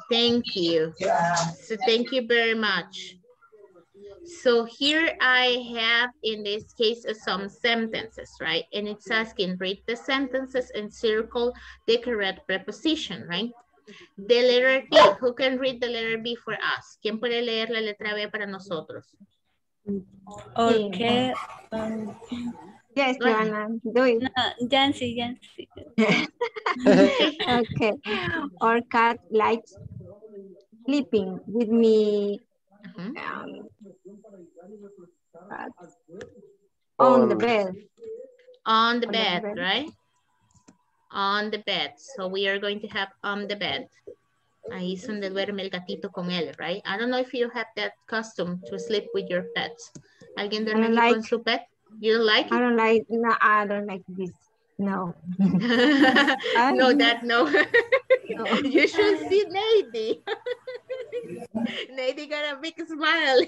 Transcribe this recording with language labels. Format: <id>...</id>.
<en>Thank you. So thank you very much. So here I have in this case some sentences, right? And it's asking read the sentences and circle the correct preposition, right? The letter B. Who can read the letter B for us?</en> <es>¿Quién puede leer la letra B para nosotros?</es> <en>Okay. Yes, Joanna, do it. No, Jancy. Okay. Our cat likes sleeping with me. On the bed. On the bed, right? On the bed. So we are going to have on the bed.</en> <es>Ahí es donde duerme el gatito con él,</es> <en>right? I don't know if you have that custom to sleep with your pets.</en> <es>¿Alguien duerme con su pet?</es> <en>You don't like it? I don't like, no, I don't like this. No. No, that, no. No. You should see Nady. Nady got a big smile.</en>